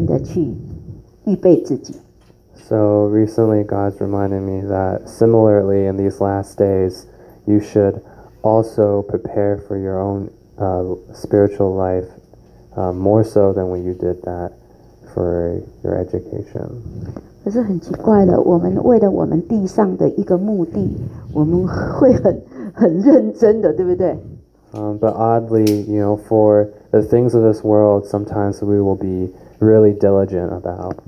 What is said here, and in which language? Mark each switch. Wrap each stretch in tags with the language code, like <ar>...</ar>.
<zh>几年前陈就提醒我，这个时候，往后的日子，你应该为了你的生命，你要比以前更加认真地去预备自己。</zh> <en>So recently, God's reminded me that similarly, in these last days, you should also prepare for your own spiritual life more so than when you did that for your education.</en> <zh>可是很奇怪的，我们为了我们地上的一个目的，我们会很认真的，对不对？</zh> <en>But oddly, you know, for the things of this world, sometimes we will be really diligent about.</en>